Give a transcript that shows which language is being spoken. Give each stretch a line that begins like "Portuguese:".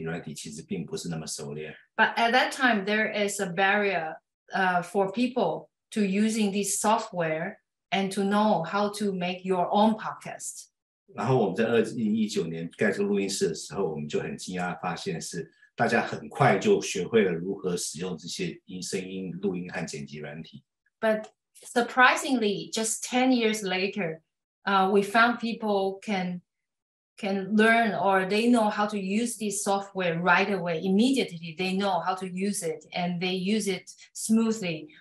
Chinese: 那时候就很多人问我们是怎么做的，因为其实大部分人对于操作这些声音剪辑软体其实并不是那么熟练。But
English: at that time, there is a barrier for people to using this software and to know how to make your own podcast.
Chinese: 然后我们在2019年盖这个录音室的时候，我们就很惊讶发现是大家很快就学会了如何使用这些音声音录音和剪辑软体。
English: But surprisingly, just 10 years later, we found people can learn or they know how to use this software right away. Immediately, they know how to use it and they use it smoothly.